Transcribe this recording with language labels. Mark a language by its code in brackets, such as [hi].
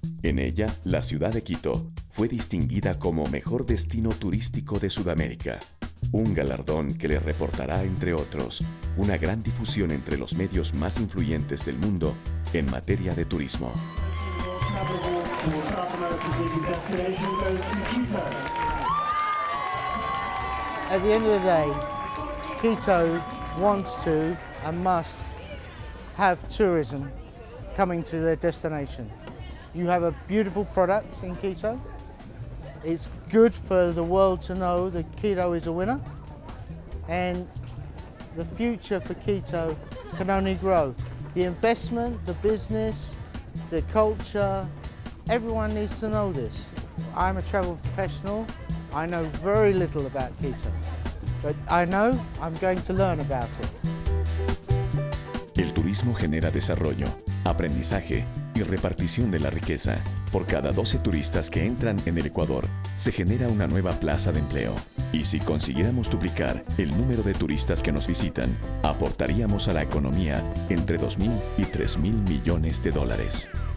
[es] En ella, la ciudad de Quito fue distinguida como mejor destino turístico de Sudamérica, un galardón que le reportará, entre otros, una gran difusión entre los medios más influyentes del mundo en materia de turismo. [en] At the end of the day, Quito wants to and must have tourism coming to their destination. You have a beautiful product in Quito. It's good for the world to know that Quito is a winner, and the future for Quito can only grow. The investment, the business, the culture, everyone needs to know this. I'm a travel professional. I know very little about Quito, but I know I'm going to learn about it. [es] El turismo genera desarrollo, aprendizaje y repartición de la riqueza. Por cada 12 turistas que entran en el Ecuador, se genera una nueva plaza de empleo. Y si consiguiéramos duplicar el número de turistas que nos visitan, aportaríamos a la economía entre 2.000 y 3.000 millones de dólares.